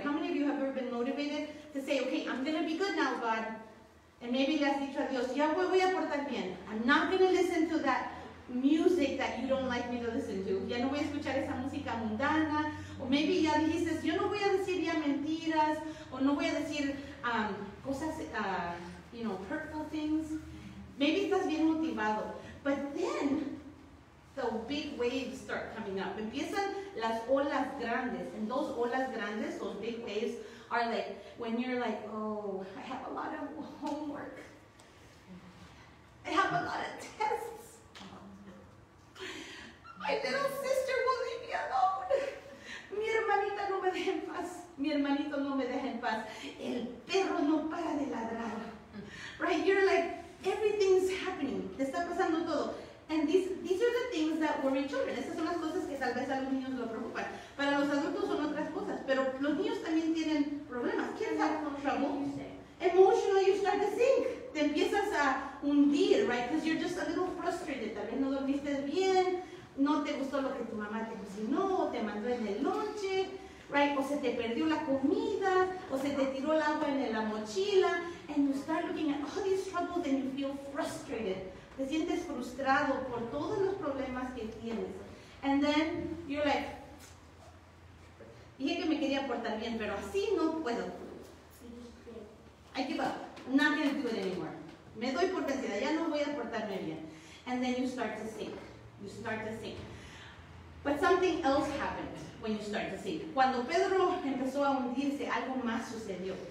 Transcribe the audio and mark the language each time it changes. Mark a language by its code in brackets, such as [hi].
[en] How many of you have ever been motivated to say, okay, I'm going to be good now, God? And maybe [es] le has dicho a Dios, ya voy a portar bien. [en] I'm not going to listen to that music that you don't like me to listen to. [es] Ya no voy a escuchar esa música mundana. O maybe ya dices, yo no voy a decir ya mentiras. O no voy a decir cosas, [en] hurtful things. [es] Maybe estás bien motivado. [en] But then the big waves start coming up. [es] Empiezan las olas grandes. [en] And those olas grandes, those big waves, are like when you're like, oh, I have a lot of homework. I have a lot of tests. My little sister will leave me alone. [es] Mi hermanita no me deja en paz. Mi hermanito no me deja en paz. El perro no para de ladrar. Right? [en] You're like, everything's happening. [es] Te está pasando todo. [en] And these are the things that worry children. [es] Estas son las cosas que tal vez a los niños lo preocupan. Para los adultos son otras cosas. Pero los niños también tienen problemas. ¿Quién sabe con [en] trouble? Emotionally, you start to sink. [es] Te empiezas a hundir, right? [en] Because you're just a little frustrated. [es] Tal vez no dormiste bien. No te gustó lo que tu mamá te cocinó. O te mandó en el lonche, right? O se te perdió la comida. O se te tiró el agua en la mochila. [en] And you start looking at all these troubles and you feel frustrated. [es] Te sientes frustrado por todos los problemas que tienes. [en] And then, you're like, [es] dije que me quería portar bien, pero así no puedo. [en] I give up. I'm not going to do it anymore. [es] Me doy por vencida. Ya no voy a portarme bien. [en] And then you start to sink. You start to sink. But something else happened when you start to sink. [es] Cuando Pedro empezó a hundirse, algo más sucedió.